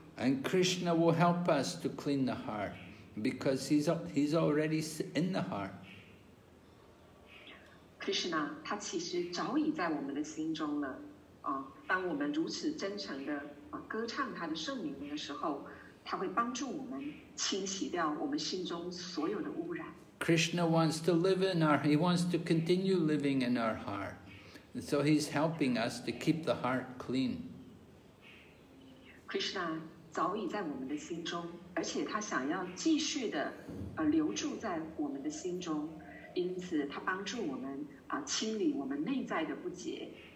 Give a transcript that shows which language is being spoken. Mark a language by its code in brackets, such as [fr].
[en] And Krishna will help us to clean the heart because he's already in the heart. [zh] Krishna 他其实早已在我们的心中了当我们如此真诚的歌唱他的圣名的时候，他会帮助我们清洗掉我们心中所有的污染。 [en] Krishna wants to live in our, he wants to continue living in our heart, and so he's helping us to keep the heart clean. [zh] Krishna 早已在我们的心中，而且他想要继续的留住在我们的心中，因此他帮助我们清理我们内在的不洁。